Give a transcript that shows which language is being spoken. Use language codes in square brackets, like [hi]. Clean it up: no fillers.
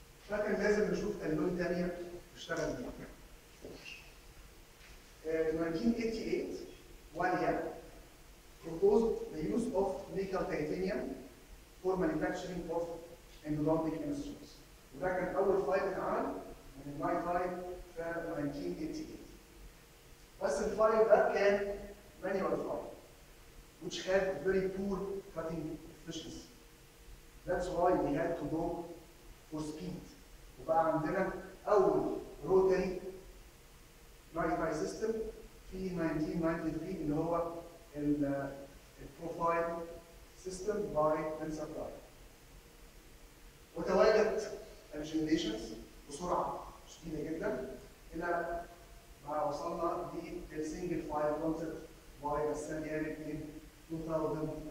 [ar] لكن لازم نشوف اللون تانية اشتغل بيها. [en] 1988, Walia proposed the use of nickel titanium for manufacturing of endodontic instruments. [ar] وده كان أول فايل اتعمل من الماي فايل في 1988. بس الفايل ده كان [en] manual file, which had very poor cutting efficiency. That's why we had to go for speed. [ar] وبقى عندنا أول [en] rotary magnify system [ar] في 1993 اللي هو البروفايل سيستم باي اند سبلاي. وتواجدت الجنريشنز بسرعه شديده جدا الى ما وصلنا للسنجل فايل كونسبت باي السنه دي 2008.